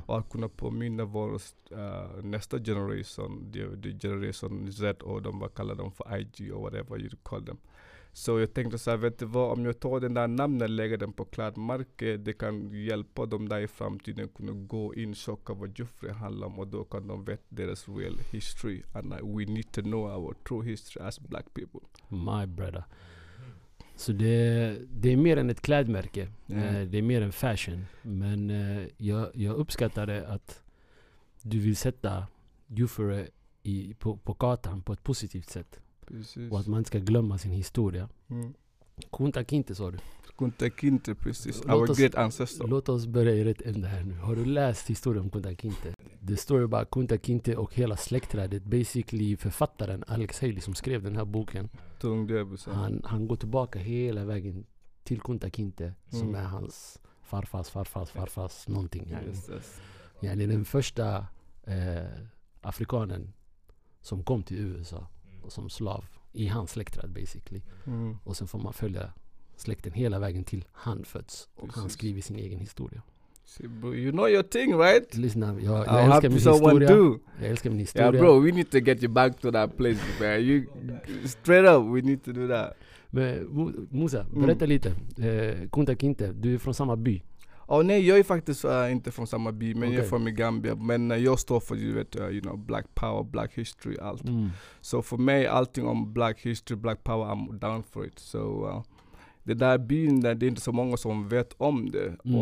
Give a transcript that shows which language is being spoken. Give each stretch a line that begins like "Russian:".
Swedish: Och att kunna påminna vår nästa generation, the generation Z, och de var kallar dem för IG
English: or whatever you call them.
Swedish: Så jag tänkte så här, vet du vad, om jag tar den där namnen och lägger den på klädmärket, det kan hjälpa dem där i framtiden att kunna gå in och chocka vad Jufure handlar om, och då kan de veta deras
English: real history. And we need to know our true history as black people. My brother.
Swedish: Så det är mer än ett klädmärke. Det är mer än fashion. Men jag uppskattar det att du vill sätta Jufure på kartan på ett positivt sätt. Precis. Och att man ska glömma sin historia. Mm. Kunta kinte, sa du.
English: Kunta kinte, precis. Our great ancestor.
Swedish: Låt oss börja i rätt ämne här nu. Har du läst historien om Kunta kinte?
English: The story about
Swedish: Kunta kinte och hela släktträdet. Basically författaren Alex Haley som skrev den här boken. Han går tillbaka hela vägen till Kunta kinte som är hans farfars någonting.
English: Yes.
Swedish: Ja, den första afrikanen som kom till USA som slav i hans släktträd basically. Mm. Och sen får man följa släkten hela vägen till han föds och precis. Han skriver sin egen historia.
English: See, you know your thing, right? Listen,
Swedish: jag älskar min historia. Do. Jag älskar min historia.
English: Yeah, bro, we need to get you back to that place, man. You straight up, we need to do that.
Swedish: Men Musa, berätta lite. Kunta kinte, du är från samma by. Oh, nej, jag är faktiskt inte från samma by, men okay. Jag är från Gambia. Men jag står för, black power, black history, allt. Mm.
English: So for me,
Swedish: allting om
English: black history, black power, I'm down for it.
Swedish: So det där byn, det är inte så många som vet om det. Mm.